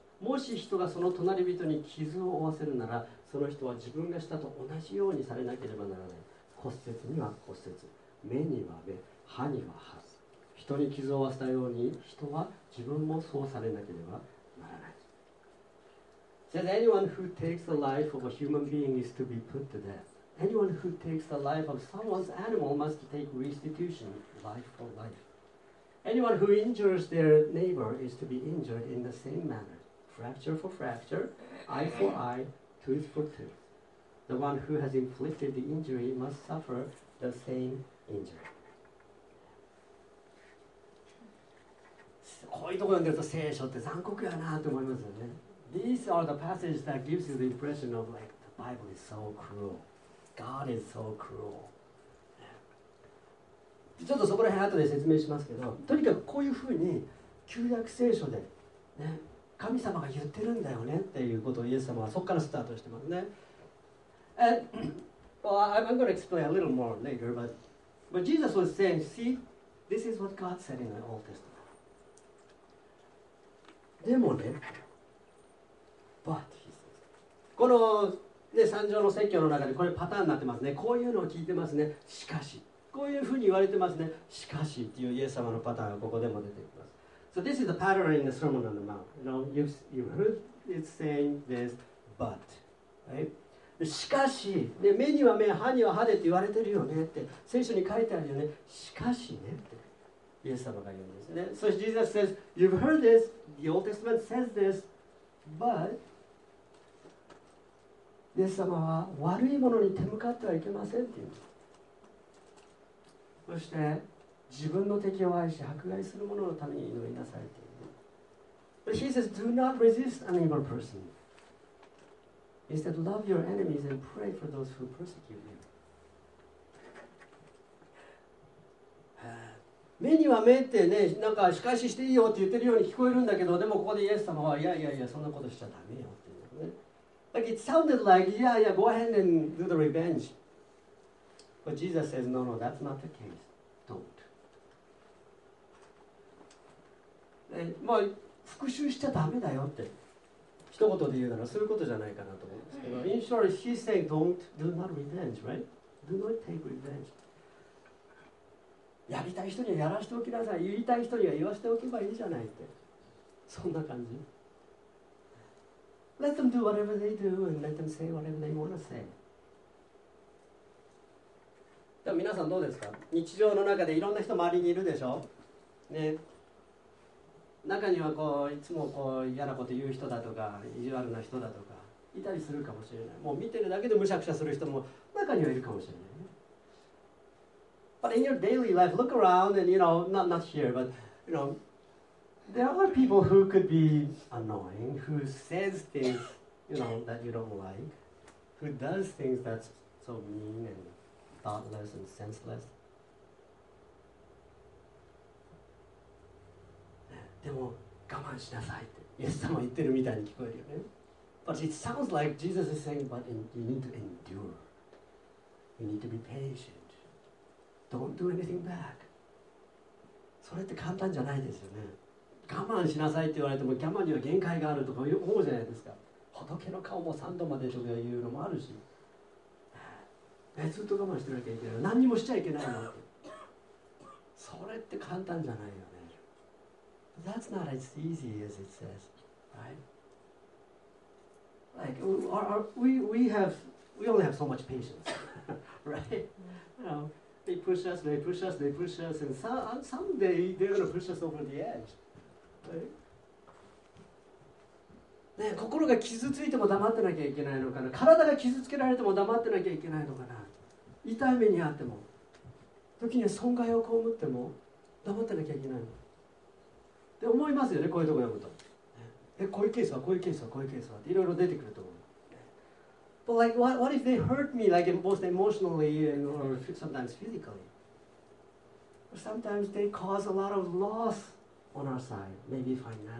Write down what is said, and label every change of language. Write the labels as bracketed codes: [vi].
[ja] もし人がその隣人に傷を負わせるなら、その人は自分がしたと同じようにされなければならない。骨折には骨折、目には目、歯には歯。人に傷を負わせたように、人は自分もそうされなければならない。 [en] Says anyone who takes the life of a human being is to be put to death. Anyone who takes the life of someone's animal must take restitution, life for life. Anyone who injures their neighbor is to be injured in the same manner. Fracture for fracture, eye for eye, tooth for tooth. The one who has inflicted the injury must suffer the same injury. [ja] こういうところ読んでると聖書って残酷やなと思いますよね。 [en] These are the passages that gives you the impression of like, the Bible is so cruel. God is so cruel. [ja] ちょっとそこら辺後で説明しますけど、とにかくこういうふうに旧約聖書で、ね、神様が言ってるんだよねっていうことをイエス様はそこからスタートしてますね。 [en] And, well, I'm going to explain a little more later, but Jesus was saying, see, this is what God said in the Old Testament. [ja] でもね、 [en] but, he says, [ja] この、ね、三条の説教の中でこれパターンになってますね。こういうのを聞いてますね。しかし、こういうふうに言われてますね。しかしっていうイエス様のパターンがここでも出てきます。 [en] So this is the pattern in the Sermon on the Mount. You know, you've heard it saying this, but. Right? [ja] しかし、ね、目には目、歯には歯でって言われてるよねって、聖書に書いてあるよね。しかしねって、イエス様が言うんですね。 [en] So Jesus says, you've heard this, the Old Testament says this, but. [ja] イエス様は悪いものに手向かってはいけませんって言うんです。そして自分の敵を愛し迫害する者のために祈りなさいと。 [en] But he says, do not resist an evil person. Instead, love your enemies and pray for those who persecute you. [ja] 目には目ってね、なんか仕返ししていいよって言ってるように聞こえるんだけど、でもここでイエス様はいやいやいや、そんなことしちゃダメよって言うのね。 [en] Like it sounded like, yeah, yeah, go ahead and do the revenge. But Jesus says, no, no, that's not the case. Don't. [ja] まあ、復讐しちゃダメだよって一言で言うならそういうことじゃないかなと思うんですけど、 [en] In short, he's saying, don't, do not revenge, right? Do not take revenge. [ja] やりたい人にはやらしておきなさい。言いたい人には言わしておけばいいじゃないって。そんな感じ。 [en] Let them do whatever they do and let them say whatever they want to say. [ja] でも皆さんどうですか？日常の中でいろんな人周りにいるでしょ？ね、中にはこういつもこう嫌なこと言う人だとか意地悪な人だとかいたりするかもしれない。もう見てるだけでむしゃくしゃする人も中にはいるかもしれない。 [en] But in your daily life, look around and you know, not here, but you know, there are people who could be annoying, who says things you know that you don't like, who does things that's so mean andThoughtless and senseless. [ja] でも我慢しなさいってイエス様言ってるみたいに聞こえるよね。 [en] But it sounds like Jesus is saying, but you need to endure. You need to be patient. Don't do anything back. [ja] それって簡単じゃないですよね。我慢しなさいって言われても我慢には限界があるとか思うじゃないですか。仏の顔も三度までとかいうのもあるし。ずっと我慢してなきゃいけない。何にもしちゃいけないの。それって簡単じゃないよね。 [en] That's not as easy as it says, right? like we only have so much patience, right? You know, they push us, and someday they're gonna push us over the edge, right? [ja] ね、心が傷ついても黙ってなきゃいけないのかな、体が傷つけられても黙ってなきゃいけないのかな、痛い目にあっても、時には損害を被っても黙ってなきゃいけないの。って思いますよね、こういうとこ読むと。え、こういうケースは、こういうケースは、こういうケースはっていろいろ出てくると思う。 [en] But like, what if they hurt me, like both emotionally and or sometimes physically? Sometimes they cause a lot of loss on our side, maybe financial loss.